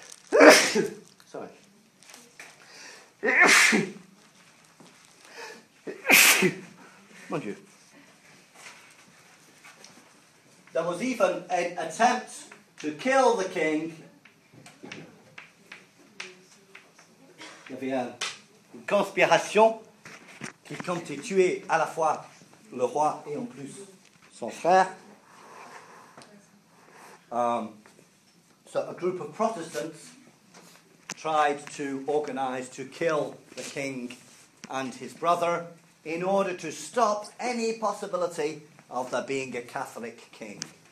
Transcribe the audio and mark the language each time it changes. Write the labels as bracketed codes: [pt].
[en] Sorry. Mind you. There was even an attempt to kill the king. [fr] Il y avait une conspiration qui comptait tuer à la fois le roi et en plus son frère. [en] So a group of Protestants tried to organize to kill the king and his brother in order to stop any possibility of there being a Catholic king.